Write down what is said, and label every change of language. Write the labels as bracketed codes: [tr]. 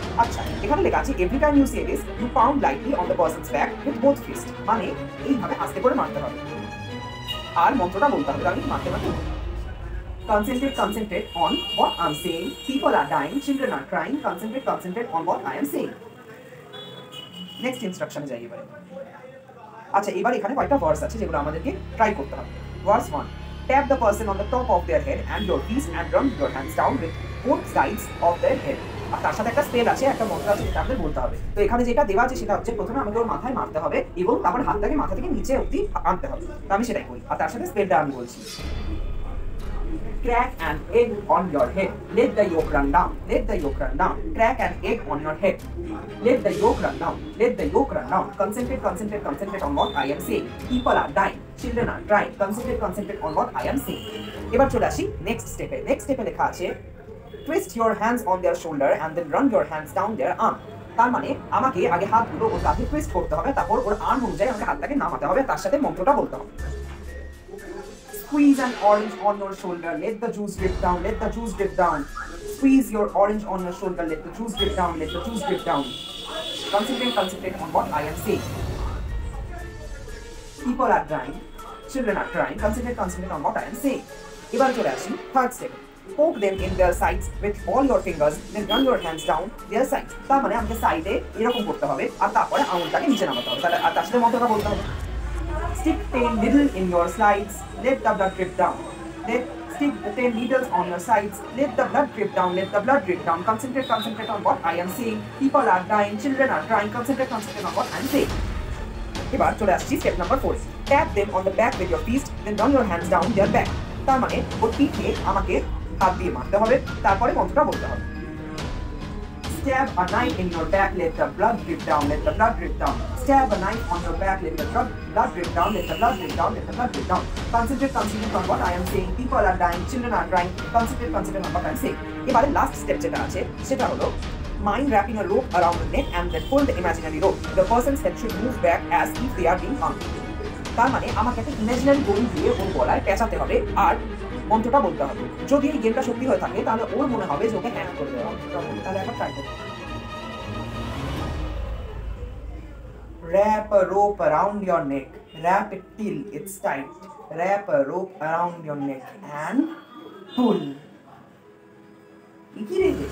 [bn] আচ্ছা, এখানে লেখা আছে [en] every time you see this you pound lightly on the person's back with both fist, [bn] মানে এইভাবে আস্তে করে মারতে হবে আর মন্ত্রটা বলতে হবে আমি মারতে পারি। [en] Concentrate concentrate on what I am saying, people are dying, children are crying, concentrate concentrate on what I am saying. [bn] Next ইনস্ট্রাকশনে যাই এবারে। আচ্ছা, এবার এখানে কয়েকটা ভার্স আছে যেগুলো আমাদেরকে ট্রাই করতে হবে। [en] Verse 1, tap the person on the top of their head and your knees and run your hands down with both sides of their head. [bn] আর তার সাথে একটা স্পেল আছে, একটা মন্ত্র আছে, সেটা আমাদের বলতে হবে। তো এখানে যেটা দেওয়া আছে সেটা হচ্ছে প্রথমে আমাকে ওর মাথায় মারতে হবে এবং তারপর হাতটাকে মাথা থেকে নিচে অব্দি আনতে হবে, তো আমি সেটাই করি। আর তার সাথে স্পেলটা আমি বলছি [en] crack an egg on your head, let the yolk run down, let the yolk run down, crack an egg on your head, let the yolk run down, let the yolk run down, concentrate concentrate concentrate on what I am saying, people are dying, children are crying, concentrate concentrate on what I am saying. [bn] এবার চলে আসি next step এ। next step এ লেখা আছে [en] twist your hands on their shoulder and then run your hands down their arm, [bn] তার মানে আমাকে আগে হাত গুলো ওর কাছে twist করতে হবে, তারপর ওর arm অনুযায়ী আমাকে হাতটাকে নামাতে হবে, তার সাথে মন্ত্রটা বলতে হবে। [en] Squeeze an orange on your shoulder, let the juice drip down, let the juice drip down. Squeeze your orange on your shoulder, let the juice drip down, let the juice drip down. Concentrate, concentrate on what I am saying. People are crying, children are crying, concentrate, concentrate on what I am saying. [bn] এবার চলে আসি third step. [en] Poke them in their sides with all your fingers, then run your hands down their sides. [bn] তার মানে আমাকে সাইডে এরকম করতে হবে আর তারপরে আঙুলটাকে নিচে নামাতে হবে, তাহলে আর তার সাথে মতটা বলতে হবে। [en] Stick the needle in your sides, let the blood drip down. Let stick the needles on your sides, let the blood drip down, let the blood drip down. Concentrate, concentrate on what I am saying. People are dying, children are crying. Concentrate, concentrate on what I am saying. [bn] এবার চলে আসছি step number 4. [en] Tap them on the back with your fist, then run your hands down their back. [bn] তার মানে ওর পিঠে আমাকে হাত দিয়ে মারতে হবে, তারপরে মন্ত্রটা বলতে হবে। [en] Stab a knife in your back, let the blood drip down, let the blood drip down. Stab a knife on your back, let the blood drip down, let the blood drip down, let the blood drip down. Concentrate, concentrate on what I am saying. People are dying, children are crying. Concentrate, concentrate on what I am saying. [bn] এবারে last step যেটা আছে সেটা হলো [en] mind wrapping a rope around the neck and then pull the imaginary rope. The person's head should move back as if they are being hung. [bn] তার মানে আমাকে একটা imaginary goal দিয়ে ওর গলায় পেঁচাতে হবে আর মন্ত্রটা বলতে হবে। যদি এই গেমটা সত্যি হয়ে থাকে তাহলে ওর মনে হবে যে ওকে হ্যাং করে দেওয়া, তাহলে একবার ট্রাই করবে। [en] Wrap a rope around your neck, wrap it till it's tight, wrap a rope around your neck and pull. [bn] কি রে